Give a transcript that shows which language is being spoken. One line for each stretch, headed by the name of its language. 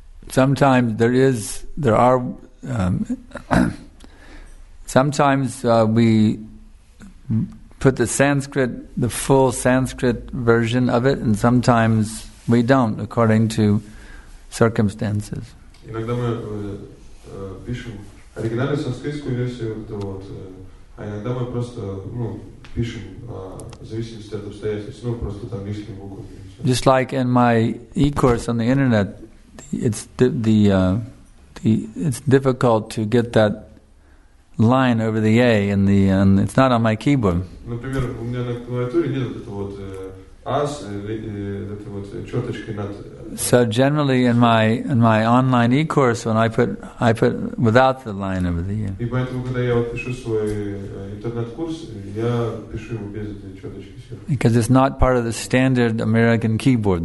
English: Sometimes there are sometimes we put the full Sanskrit version of it, and sometimes we don't, according to circumstances.
Russian: Иногда мы пишем оригинальную санскритскую версию, а иногда мы просто пишем в зависимости от обстоятельств, просто там лишние буквы.
English: Just like in my e-course on the internet, it's difficult to get that line over the A, and it's not on my keyboard.
Russian: Например, у меня на клавиатуре нет AS, черточкой над.
English: So generally, in my online e-course, when I put without the line over the A.
Russian: И поэтому, когда я пишу свой интернет-курс, я пишу его без этой черточки сверху.
English: Because it's not part of the standard American keyboard.